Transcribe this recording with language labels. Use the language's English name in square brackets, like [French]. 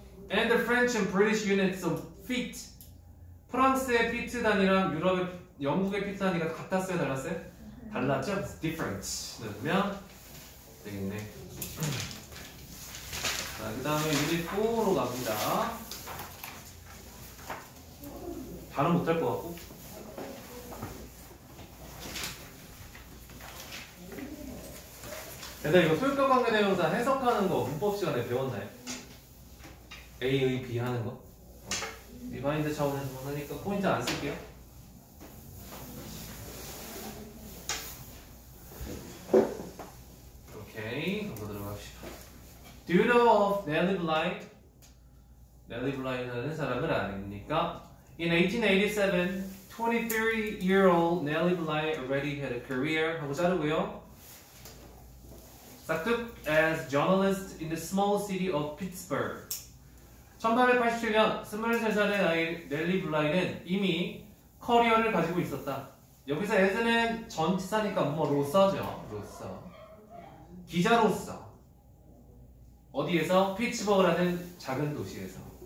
[English] and the French and British units of feet. [Korean] 프랑스의 피트 단위랑 유럽의 영국의 피트 단위가 같았어요, 달랐어요? 달랐죠? [English] It's different. [Korean] 넣으면 되겠네. 자, 그 다음에 이제 4로 갑니다. 다른 못할 것 같고. 일단 이거 소유격 관계 대명사 해석하는 거 문법 시간에 배웠나요? A의 B 하는 거? 리마인드 차원에서만 하니까 포인트 안 쓸게요. 오케이, 한번 들어갑시다. [English] Do you know of Nellie Bly? [Korean] Nellie Bly라는 사람은 아닙니까? [English] In 1887, 23-year-old Nellie Bly already had a career. [Korean] 하고 자르고요. [English] 싹둑 as journalist in the small city of Pittsburgh. [Korean] 1887년 23살의 나이 넬리 블라이는 이미 커리어를 가지고 있었다. 여기서 as는 전치사니까 뭐 로서죠. 로서. 기자로서. 어디에서? 피츠버그라는 작은 도시에서.